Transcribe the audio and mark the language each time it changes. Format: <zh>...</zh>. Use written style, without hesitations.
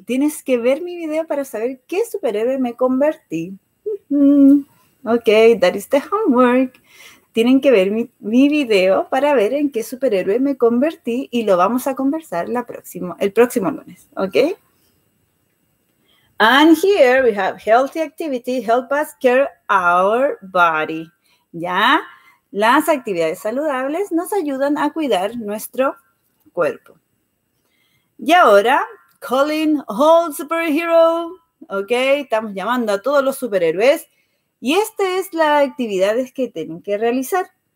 <es>Tienes que ver mi video para saber qué superhéroe me convertí.</es> <en>Ok, that is the homework.</en> <es>Tienen que ver mi video para ver en qué superhéroe me convertí y lo vamos a conversar el próximo lunes, ¿ok?</es> <en>And here we have healthy activity help us care our body.</en> <es>¿Ya? Las actividades saludables nos ayudan a cuidar nuestro cuerpo. Y ahora,</es> <en>calling all superhero, ¿ok?</en> <es>Estamos llamando a todos los superhéroes. Y esta es la actividad que tienen que realizar.</es>